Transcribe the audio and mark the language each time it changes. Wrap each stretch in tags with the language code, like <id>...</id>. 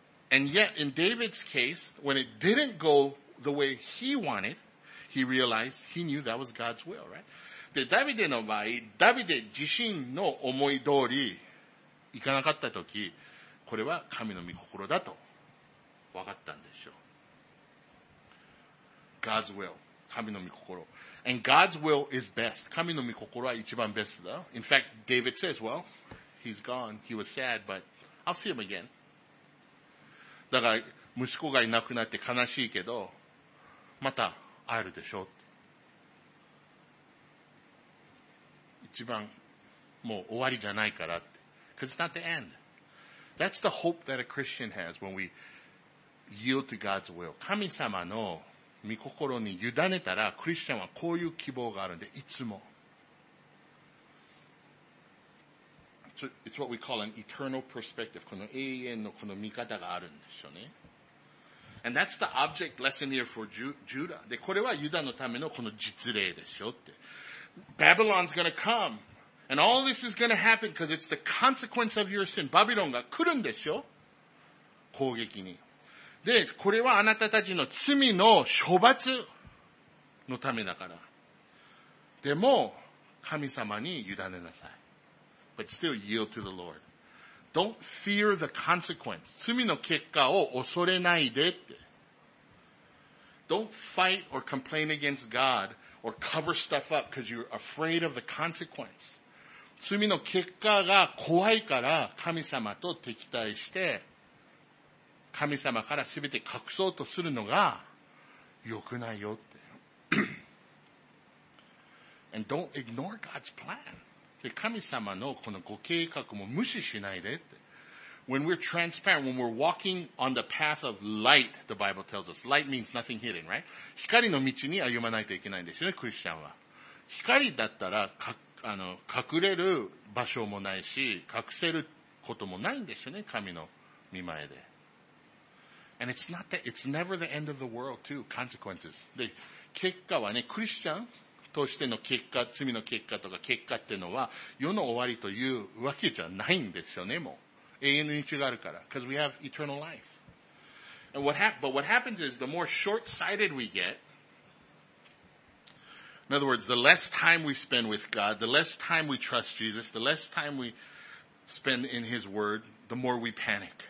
<en>And yet in David's case, when it didn't go the way he wanted,He realized, he knew that was God's will, right?</en> <ja>で、ダビデの場合、ダビデ自身の思い通り行かなかったとき、これは神の御心だと分かったんでしょう。</ja> <en>God's will,</en> <ja>神の御心。</ja> <en>And God's will is best.</en> <ja>神の御心は一番ベストだ。</ja> <en>In fact, David says, well, he's gone. He was sad, but I'll see him again.</en> <ja>だから、息子がいなくなって悲しいけど、また、会えるでしょう。一番もう終わりじゃないからって。</ja> <en>Because it's not the end. That's the hope that a Christian has when we yield to God's will.</en> <ja>神様の御心に委ねたら、クリスチャンはこういう希望があるんで、いつも。</ja> <en>It's what we call an eternal perspective.</en> <ja>この永遠のこの見方があるんでしょうね。</ja> <en>And that's the object lesson here for Judah.</en> <ja>で、これはユダのためのこの実例でしょって。</ja> <en>Babylon's gonna come. And all this is gonna happen because it's the consequence of your sin.</en> <ja>バビロンが来るんでしょ？攻撃に。で、これはあなたたちの罪の処罰のためだから。でも、神様に委ねなさい。</ja> <en>But still yield to the Lord. Don't fear the consequence.</en> <ja>罪の結果を恐れないでって。</ja> <en>Don't fight or complain against God or cover stuff up because you're afraid of the consequence.</en> <ja>罪の結果が怖いから神様と敵対して、神様から全て隠そうとするのが良くないよって。</ja> <en>And don't ignore God's plan.</en> <ja>で、神様のこのご計画も無視しないでって。</ja> <en>When we're transparent, when we're walking on the path of light, the Bible tells us. Light means nothing hidden, right?</en> <ja>光の道に歩まないといけないんですよね、クリスチャンは。光だったら、隠れる場所もないし、隠せることもないんですよね、神の御前で。</ja> <en>And it's not that, it's never the end of the world too, consequences.</en> <ja>で、結果はね、クリスチャン、としての結果、罪の結果とか結果っていうのは、世の終わりというわけじゃないんですよね、もう。永遠の命があるから。</ja> <en>Because we have eternal life. But what happens is, the more short-sighted we get, in other words, the less time we spend with God, the less time we trust Jesus, the less time we spend in His Word, the more we panic.</en>